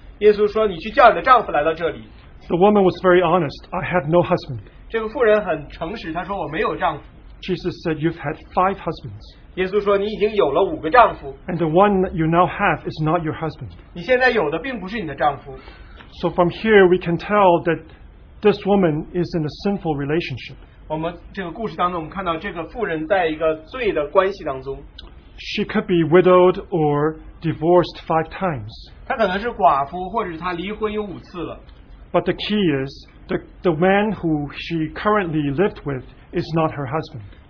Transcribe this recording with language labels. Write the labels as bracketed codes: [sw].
[zh] 耶稣说, 你去叫你的丈夫来到这里。 [en] The woman was very honest. I had no husband. [zh] 这个妇人很诚实, 她说我没有丈夫。 [en] Jesus said, you've had five husbands. [zh] 耶稣说你已经有了五个丈夫。 [en] And the one you now have is not your husband. [zh] 你现在有的并不是你的丈夫。 [en] So from here we can tell that this woman is in a sinful relationship. [zh] 我们这个故事当中，我们看到这个妇人在一个罪的关系当中。 [en] She could be widowed or divorced five times. [zh] 她可能是寡妇，或者是她离婚有五次了。 [en] But the key is the man who she currently lived with is not her husband.